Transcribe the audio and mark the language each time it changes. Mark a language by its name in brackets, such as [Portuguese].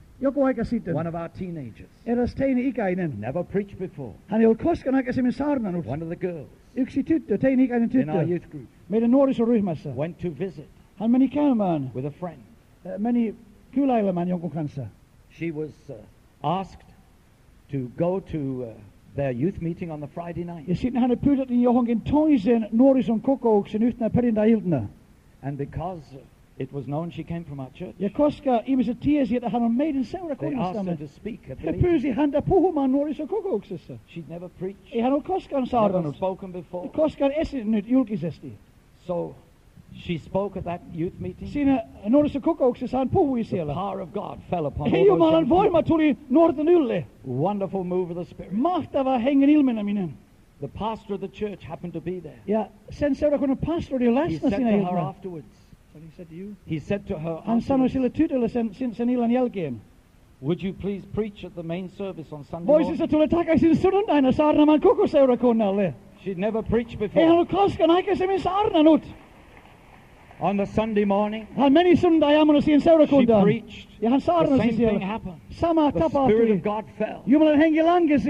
[Finnish] Joku aika sitten. [English] One of our teenagers. [Finnish] Eräs teini-ikäinen. [English] Never preached before. [Finnish] Hän ei ollut koskaan aikaisemmin saarnanut. [English] One of the girls. [Finnish] Yksi tyttö, teini-ikäinen tyttö. [English] In our youth group. [Finnish] Meidän nuorisoryhmässä. [English] Went to visit. [Finnish] Hän meni käymään. [English] With a friend. [Finnish] Meni kyläilemään jonkun kanssa. [English] She was asked to go to their youth meeting on the Friday night. [Finnish] Ja sitten hän pyydettiin johonkin toisen nuorison kokouksen yhtenä perjantai-iltana. [English] And because It was known she came from our church. [Finnish] Ja koska ihmiset tiesi, että hän on meidän seurakunnastamme. [English] They asked her to speak at the [Finnish] puhumaan nuorissa kokouksessa. [English] She'd never preached. [Finnish] Ei hän ole koskaan saarnannut. [English] Never spoken before. [Finnish] Koskaan esiintynyt julkisesti. [English] So she spoke at that youth meeting. [Finnish] Siinä nuorissa kokouksessa hän puhui siellä. [English] The power of God fell upon her. [Finnish] Jumalan voima tuli nuorten ylle. [English] Wonderful move of the Spirit. [Finnish] Mahtava hengen ilmeneminen. [English] The pastor of the church happened to be there. [Finnish] Ja sen seurakunnan pastori oli läsnä siinä illalla. [English] He said to her afterwards. He said to her. [Finnish] Hän sanoi sille tytölle sen illan jälkeen. [English] Would you please preach at the main service on Sunday? [Finnish] Voisitko tulla takaisin sunnuntaina saarnamaan koko seurakunnalle? [English] She'd never preached before. [Finnish] Ei ollut koskaan aikaisemmin saarnanut. [English] On the Sunday morning. [Finnish] Hän meni sunnuntaiaamuna siihen seurakuntaan. [English] She preached. [Finnish] Ja hän saarnasi siellä. [English] The same thing happened. [Finnish] Sama tapahtui. [English] The Spirit of God fell. [Finnish] Jumalan henki langesi.